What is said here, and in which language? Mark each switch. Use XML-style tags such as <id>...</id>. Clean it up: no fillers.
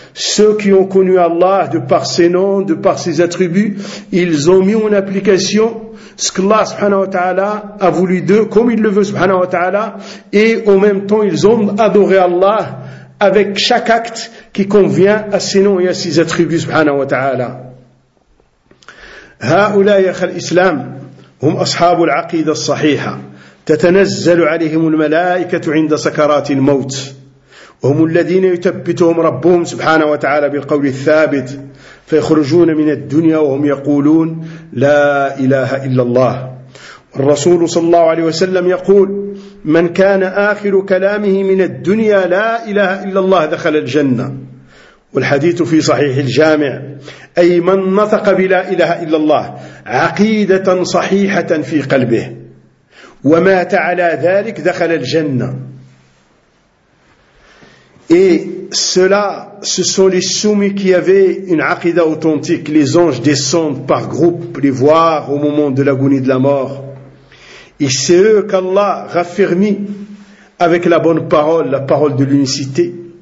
<fr>Ceux qui ont connu Allah de par ses noms, de par ses attributs, ils ont mis en application ce qu'Allah subhanahu wa ta'ala a voulu d'eux comme il le veut subhanahu wa ta'ala, et en même temps ils ont adoré Allah avec chaque acte qui convient à ses noms et à ses attributs subhanahu wa ta'ala.</fr> <ar>هؤلاء اخل الاسلام هم اصحاب العقيده الصحيحه تتنزل عليهم الملائكة عند سكرات الموت وهم الذين يثبتهم ربهم سبحانه وتعالى بالقول الثابت فيخرجون من الدنيا وهم يقولون لا إله إلا الله. والرسول صلى الله عليه وسلم يقول من كان آخر كلامه من الدنيا لا إله إلا الله دخل الجنة. والحديث في صحيح الجامع أي من نطق بلا إله إلا الله عقيدة صحيحة في قلبه ومات على ذلك دخل الجنة.</ar> <fr>Et ceux-là, ce sont les soumis qui avaient une aqida authentique. Les anges descendent par groupe les voir au moment de l'agonie de la mort. Et c'est eux qu'Allah raffermit avec la bonne parole, la parole de l'unicité.</fr>